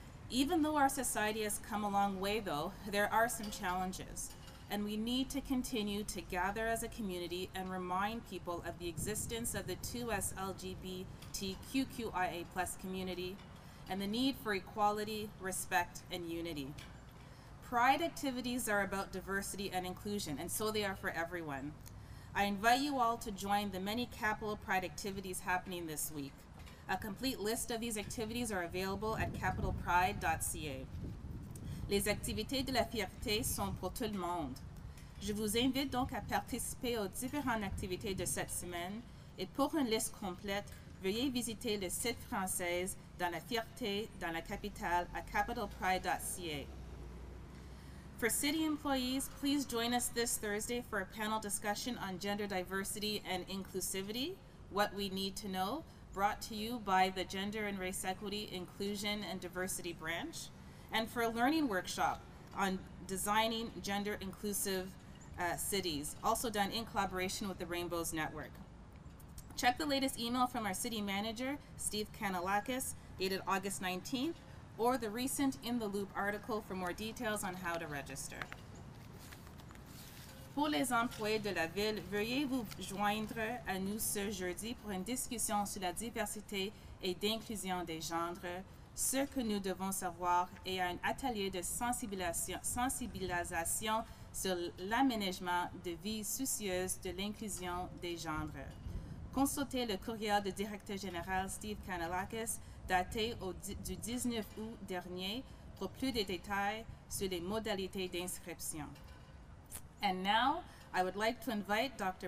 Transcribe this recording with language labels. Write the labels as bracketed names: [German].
[English] Even though our society has come a long way, though, there are some challenges, and we need to continue to gather as a community and remind people of the existence of the 2SLGBTQIA+ community and the need for equality, respect, and unity. Pride activities are about diversity and inclusion, and so they are for everyone. I invite you all to join the many Capital Pride activities happening this week. A complete list of these activities are available at capitalpride.ca. [French] Les activités de la fierté sont pour tout le monde. Je vous invite donc à participer aux différentes activités de cette semaine, et pour une liste complète, veuillez visiter le site français dans la fierté dans la capitale à capitalpride.ca. [English] For city employees, please join us this Thursday for a panel discussion on gender diversity and inclusivity, What We Need to Know, brought to you by the Gender and Race Equity, Inclusion and Diversity Branch, and for a learning workshop on designing gender-inclusive cities, also done in collaboration with the Rainbows Network. Check the latest email from our city manager, Steve Kanalakis, dated August 19th, or the recent In the Loop article for more details on how to register. [French] Pour les employés de la ville, veuillez vous joindre à nous ce jeudi pour une discussion sur la diversité et d'inclusion des genres, ce que nous devons savoir, et à un atelier de sensibilisation sur l'aménagement de vies soucieuses de l'inclusion des genres. Consultez le courriel du directeur général Steve Kanalakis daté du 19 août dernier pour plus de détails sur les modalités d'inscription. [English] And now, I would like to invite Dr.